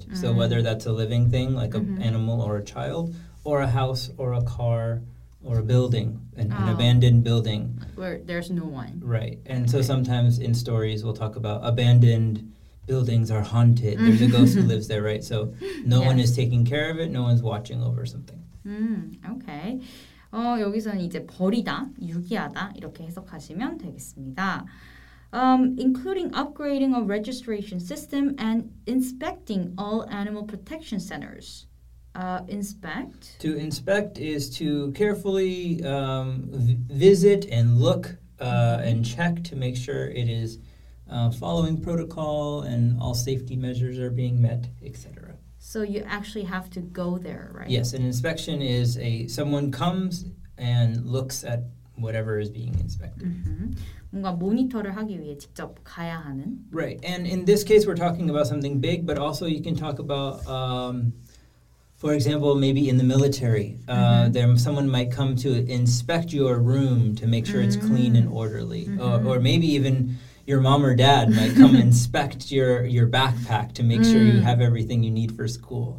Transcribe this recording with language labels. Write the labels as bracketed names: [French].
[English] Mm-hmm. So whether that's a living thing, like an mm-hmm. animal or a child, or a house or a car or a building, an abandoned building. Where there's no one. Right. And okay. So sometimes in stories we'll talk about abandoned buildings are haunted. There's a ghost who lives there, right? So no yeah. one is taking care of it. No one's watching over something. Okay. [Korean] 여기서는 이제 버리다, 유기하다 이렇게 해석하시면 되겠습니다. [English] Including upgrading a registration system and inspecting all animal protection centers. Inspect. To inspect is to carefully visit and look and check to make sure it is following protocol and all safety measures are being met, etc. So you actually have to go there, right? Yes, an inspection is someone comes and looks at whatever is being inspected. Mm-hmm. [Korean] 뭔가 모니터를 하기 위해 직접 가야 하는. [English] Right, and in this case we're talking about something big, but also you can talk about, for example, maybe in the military, mm-hmm. Someone might come to inspect your room to make sure mm-hmm. it's clean and orderly, mm-hmm. or maybe even your mom or dad might come inspect your backpack to make sure you have everything you need for school.